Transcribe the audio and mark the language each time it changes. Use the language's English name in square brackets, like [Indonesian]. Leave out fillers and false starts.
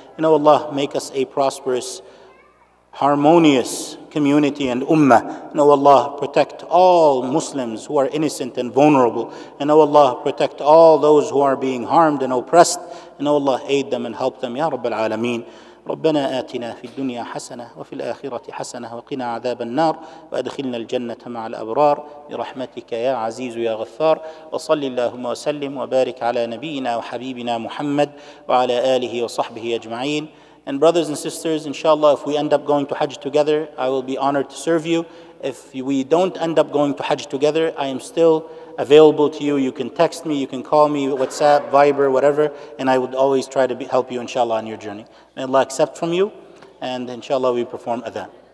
[English] And oh Allah, make us a prosperous, harmonious community and ummah. And oh Allah, protect all Muslims who are innocent and vulnerable. And oh Allah, protect all those who are being harmed and oppressed. And oh Allah, aid them and help them. Ya Rabbal Alameen. [Arabic] ربنا آتنا في الدنيا حسنة وفي الآخرة حسنة وقنا عذاب النار وأدخلنا الجنة مع الأبرار برحمتك يا عزيز يا غفار وصل اللهم وسلم وبارك على نبينا وحبيبنا محمد وعلى آله وصحبه أجمعين. [English] And brothers and sisters, inshallah, if we end up going to Hajj together, I will be honored to serve you. If we don't end up going to Hajj together, I am still available to you. You can text me, you can call me, WhatsApp, Viber, whatever, and I would always try to help you, inshallah, on your journey. May Allah accept from you, and inshallah, we perform adhan.